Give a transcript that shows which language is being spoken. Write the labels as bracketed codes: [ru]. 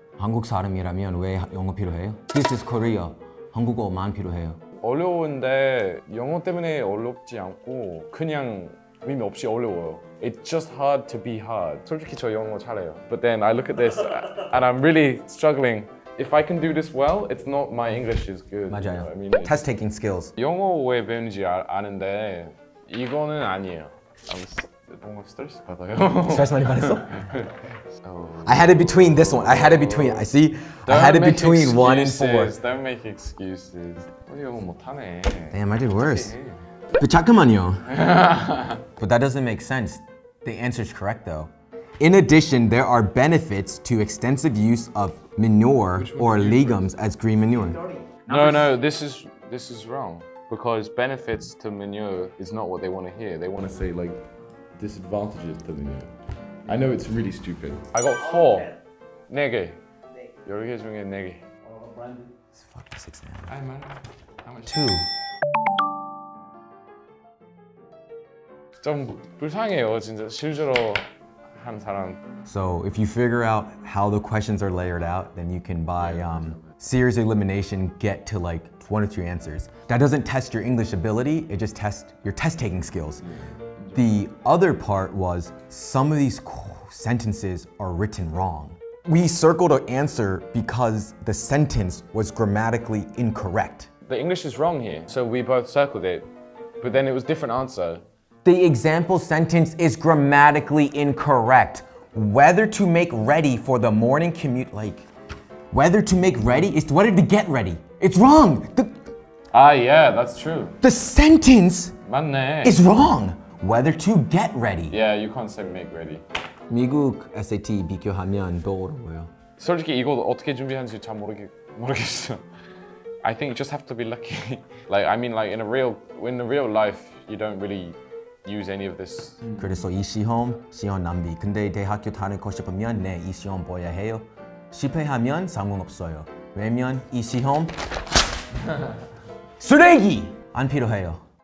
[ko] 한국 사람이라면 왜 영어 필요해요? [en] This is Korea. [ko] 한국어만 필요해요. 어려운데 영어 때문에 어렵지 않고 그냥 의미 없이 어려워요. [en] It's just hard to be hard. [ko] 솔직히 저 영어 잘해요. [en] But then I look at this and I'm really struggling. If I can do this well, it's not my English is good. [ko] 맞아요. [en] You know what I mean? Test taking skills. [ko] 영어 왜 배우는지 아는데 이거는 아니에요. I'm 뭔가 스트레스 받아요. 스트레스 많이 받았어? [en] I had it between this one. I had it between. I see. Don't I had it between one and four. Don't make excuses. [ko] 못하네. [en] Damn, I did worse. [ko] 어떡해. [en] But [ko] 잠깐만요. [en] But that doesn't make sense. The answer is correct though. In addition, there are benefits to extensive use of manure or legumes as green manure. No, this is wrong. Because benefits to manure is not what they want to hear. They want to say like disadvantages to manure. I know it's really stupid. I got four. [ko] 네 개. 여러 개 중에 네 개. [en] Fuck this exam. I'm a... Two. [ko] 좀 불쌍해요, 진짜 실제로 한 사람. [en] So if you figure out how the questions are layered out, then you can by series elimination get to like one or two answers. That doesn't test your English ability; it just tests your test-taking skills. The other part was some of these sentences are written wrong. We circled an answer because the sentence was grammatically incorrect. The English is wrong here, so we both circled it, but then it was different answer. The example sentence is grammatically incorrect. Whether to make ready for the morning commute, like, whether to make ready is whether to get ready. It's wrong. Yeah, that's true. The sentence [ko] 맞네. [en] Is wrong. Whether to get ready. Yeah, you can't say make ready. [ko] 미국 SAT 비교하면 더 어려워요. 솔직히 이거 어떻게 준비하는지 잘 모르겠어. [en] I think you just have to be lucky. Like, I mean, like in the real life, you don't really use any of this. [ko] 그래서 이 시험 시험 낭비. 근데 대학교 다니고 싶으면 네, 이 시험 봐야 해요. 실패하면 상관없어요. 왜냐면 이 시험 쓰레기 안 필요해요.